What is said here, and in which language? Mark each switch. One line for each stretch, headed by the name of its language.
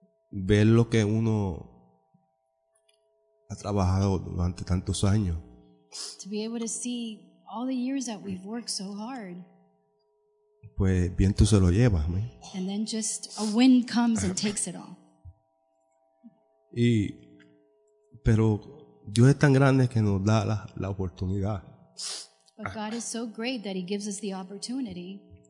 Spanish: Ver lo que uno ha trabajado durante tantos años.
English: To be able to see all the years that we've worked so hard.
Spanish: Pues viento se lo lleva, amén.
English: And then just a wind comes and takes it all.
Spanish: Y pero Dios es tan grande que nos da la oportunidad.
English: But God is so great that he gives us the opportunity.